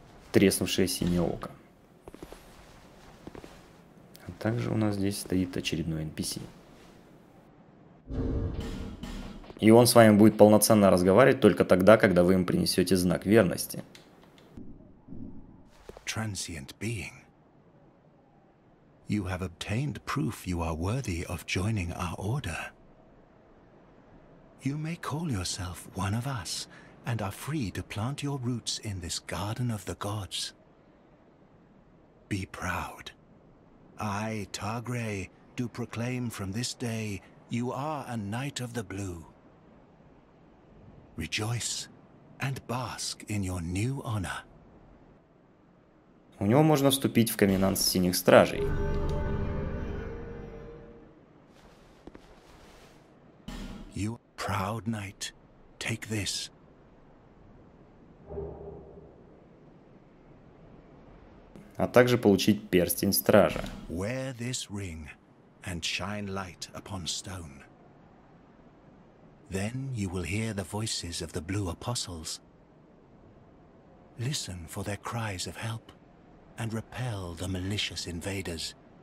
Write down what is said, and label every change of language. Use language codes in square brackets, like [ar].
[ru] Треснувшее синее око. А также у нас здесь стоит очередной NPC. И он с вами будет полноценно разговаривать только тогда, когда вы им принесете знак верности. [en] Transient being. You have obtained proof you are worthy of joining our order. You may call yourself one of us, and are free to plant your roots in this garden of the gods. Be proud. I, Targre, do proclaim from this day you are a knight of the blue. Rejoice and bask in your new honor. [ru] У него можно вступить в коменант синих стражей. [en] Proud knight, take this. [ru] А также получить перстень стража. [en] Wear this ring and shine light upon stone. Then you will hear the voices of the blue apostles. Listen for their cries of help and repel the malicious invaders.